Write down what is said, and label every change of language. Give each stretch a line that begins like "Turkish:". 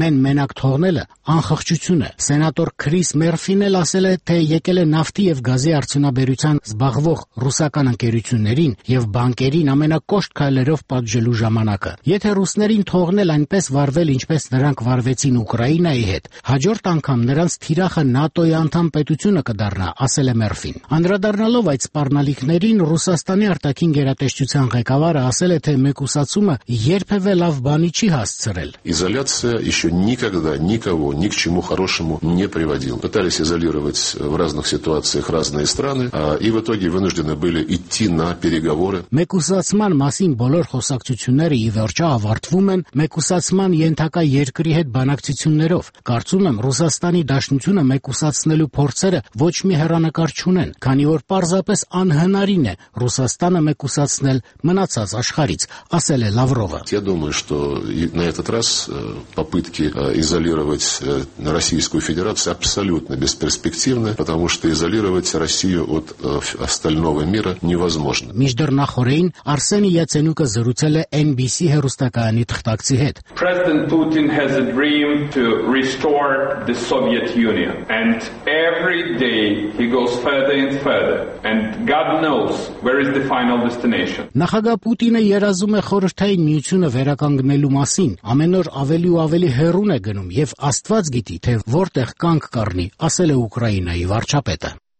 Armenian: մենակ թողնելը անխղճություն է։ Սենատոր Քրիս Մերֆին էլ ասել է, թե եկել է նավթի եւ գազի արդյունաբերության զբաղվող ռուսական ընկերություններին եւ բանկերին ամենակոշտ քայլերով պատժելու ժամանակը։ Եթե ռուսներին թողնել այնպես վարվել, ինչպես նրանք վարվեցին Ուկրաինայի հետ, հաջորդ անգամ նրանց թիրախը ՆԱՏՕ-ի անդամ պետությունը կդառնա, ասել է Մերֆին։ Անդրադառնալով այդ սպառնալիքներին, Ռուսաստանի արտաքին գերատեսչության ղեկավարը ասել է, թե մեկուսացումը երբևէ լավ բանի չի հասցրել։
Russian: Իզոլյացիա ещё никогда никого ни к чему хорошему не приводил. Пытались изолировать в разных ситуациях разные страны, и в итоге вынуждены были идти на переговоры.
Armenian: Մեկուսացման մասին բոլոր խոսակցությունները ի վերջո ավարտվում են մեկուսացման ենթակա երկրի հետ բանակցություններով։ Կարծում եմ, Ռուսաստանի Դաշնությունը մեկուսացնելու փորձերը ոչ մի հեռանկար չունեն, քանի որ պարզապես անհնարին է Ռուսաստանը մեկուսացնել մնացած աշխարից, ասել է Լավրովը։
Russian: Я думаю, что на этот раз попытки изолировать Российскую Федерацию абсолютно бесперспективны, потому что изолировать Россию от остального мира невозможно.
Armenian: Միջդեռնախորհրդային Արսենի Յացենյուկը զրուցել է NBC հեռուստակայանի թղթակցի հետ։
English: President Putin has a dream to restore the Soviet Union, and every day he goes further and further, and God knows where is the final destination.
Armenian: Նախագահ Պուտինը երազում է խորհրդային միությունը վերականգնելու մասին, ամեն օր ավելի ու ավելի հեռուն է գնում եւ Աստված գիտի, թե որտեղ կանգ կառնի, ասել է Ուկրաինայի վարչապետը։